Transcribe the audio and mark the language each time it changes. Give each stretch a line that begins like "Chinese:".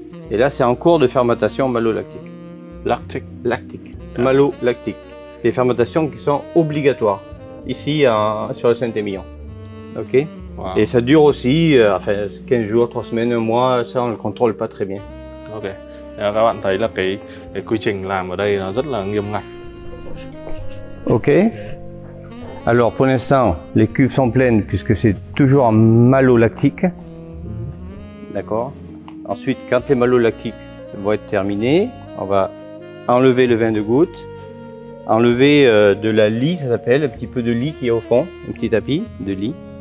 French: Et là, c'est en cours de fermentation malolactique. Lactique. Lactique. Malolactique. Des fermentations qui sont obligatoires, ici, sur le Saint-Émilion. OK? Wow. Et ça dure aussi, 15 jours, 3 semaines, 1 mois, ça, on ne le contrôle pas très bien. OK.
Vietnamese: Alors, các bạn thấy là cái quy trình làm ở đây nó rất là nghiêm ngặt. OK.
French: Alors, pour l'instant, les cuves sont pleines puisque c'est toujours malolactique. D'accord. Ensuite, quand les malolactiques vont être terminés, on va enlever le vin de goutte, enlever de la lie, ça s'appelle, un petit peu de lie qu'il y a au fond, un petit tapis de lie.